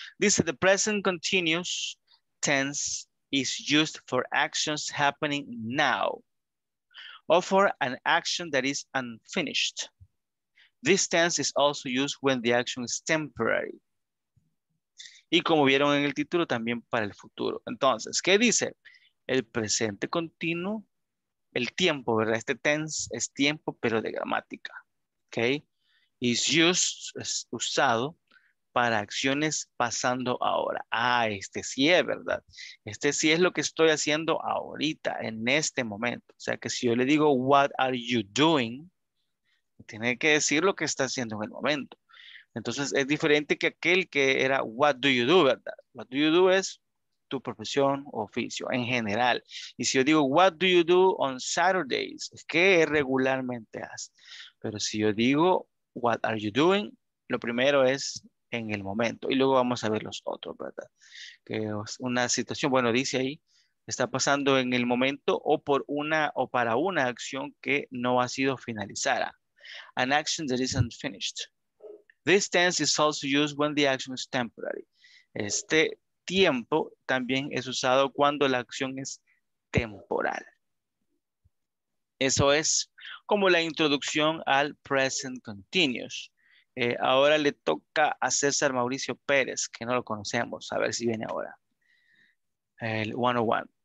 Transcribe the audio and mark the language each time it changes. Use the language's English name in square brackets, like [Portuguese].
[English] Dice, the present continuous tense is used for actions happening now or for an action that is unfinished. This tense is also used when the action is temporary. [Spanish] Y como vieron en el título, también para el futuro. Entonces, ¿qué dice? El presente continuo, el tiempo, ¿verdad? Este tense es tiempo, pero de gramática, ¿ok? Is used, es usado para acciones pasando ahora. Ah, este sí es, ¿verdad? Este sí es lo que estoy haciendo ahorita, en este momento. O sea, que si yo le digo, what are you doing? Tiene que decir lo que está haciendo en el momento. Entonces es diferente que aquel que era what do you do, ¿verdad? What do you do es tu profesión o oficio en general. Y si yo digo what do you do on Saturdays, ¿qué regularmente haces? Pero si yo digo what are you doing, lo primero es en el momento y luego vamos a ver los otros, ¿verdad? Que es una situación, bueno, dice ahí, está pasando en el momento o por una o para una acción que no ha sido finalizada. [English] An action that isn't finished. This tense is also used when the action is temporary. [Spanish] Este tiempo también es usado cuando la acción es temporal. Eso es como la introducción al present continuous. Ahora le toca a César Mauricio Pérez, que no lo conocemos. A ver si viene ahora. El 101.